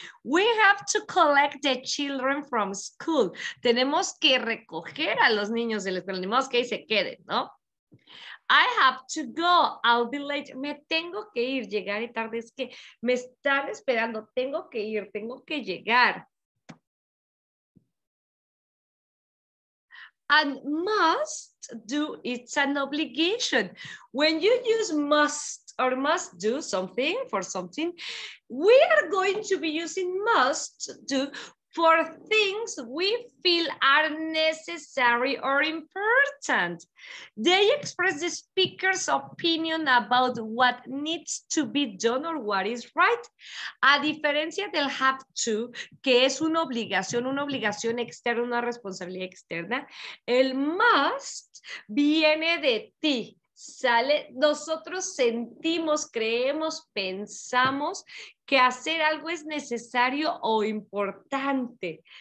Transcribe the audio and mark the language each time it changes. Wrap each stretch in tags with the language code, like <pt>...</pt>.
<en>We have to collect the children from school.</en> <es>Tenemos que recoger a los niños de la escuela, ni modo que ahí se queden, ¿no?</es> <en>I have to go, I'll be late.</en> <es>Me tengo que ir, llegar y tarde. Es que me están esperando, tengo que ir, tengo que llegar.</es> <en>And must do, it's an obligation. When you use must or must do something for something, we are going to be using must do for things we feel are necessary or important. They express the speaker's opinion about what needs to be done or what is right.</en> <es>A diferencia del have to, que es una obligación externa, una responsabilidad externa, el must viene de ti. Sale, nosotros sentimos, creemos, pensamos que hacer algo es necesario o importante.</es>